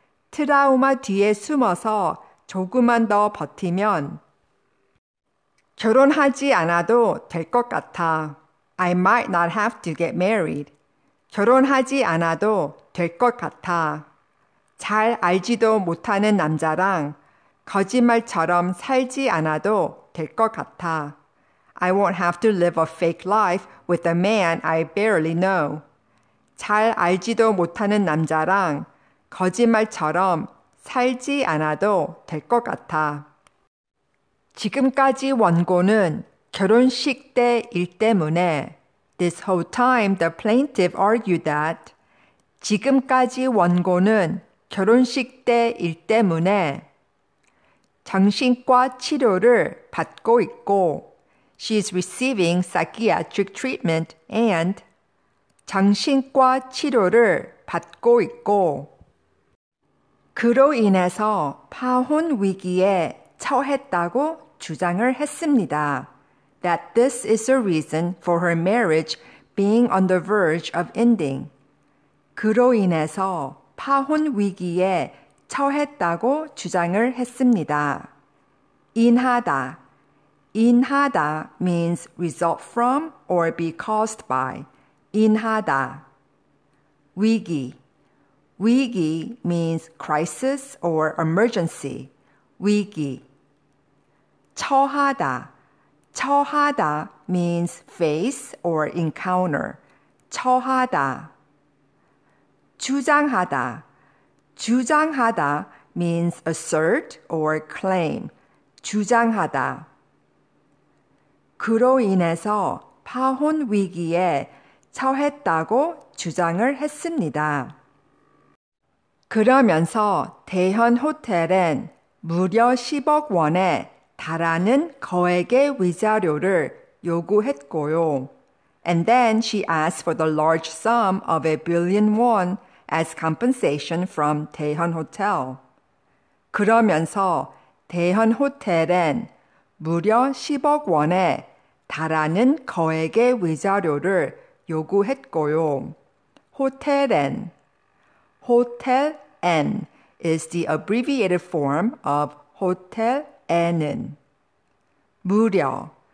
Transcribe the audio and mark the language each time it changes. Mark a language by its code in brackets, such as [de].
[ko] 트라우마 뒤에 숨어서 조금만 더 버티면 결혼하지 않아도 될 것 같아. [en] I might not have to get married. [ko] 결혼하지 않아도 될 것 같아. 잘 알지도 못하는 남자랑 거짓말처럼 살지 않아도 될 것 같아. [en] I won't have to live a fake life with a man I barely know. [ko] 잘 알지도 못하는 남자랑 거짓말처럼 살지 않아도 될 것 같아. 지금까지 원고는 결혼식 때 일 때문에 [en] This whole time the plaintiff argued that [ko] 지금까지 원고는 결혼식 때 일 때문에 정신과 치료를 받고 있고 [en] She is receiving psychiatric treatment and [ko] 정신과 치료를 받고 있고 그로 인해서 파혼 위기에 처했다고 주장을 했습니다. [en] That this is a reason for her marriage being on the verge of ending. [ko] 그로 인해서 파혼 위기에 처했다고 주장을 했습니다. [en] 인하다. 인하다 means result from or be caused by. 인하다. 위기. 위기 means crisis or emergency. 위기. 처하다. 처하다 means face or encounter. [ko] 처하다. 주장하다. [en] 주장하다 means assert or claim. [ko] 주장하다. 그로 인해서 파혼 위기에 처했다고 주장을 했습니다. 그러면서 대현 호텔엔 무려 10억 원에 달하는 거액의 위자료를 요구했고요. [en] And then she asked for the large sum of ₩1 billion as compensation from 대현 호텔. [ko] 그러면서 대현 호텔엔 무려 10억 원에 달하는 거액의 위자료를 요구했고요. [en] 호텔엔 호텔 N is the abbreviated form of 호텔에는. 무려.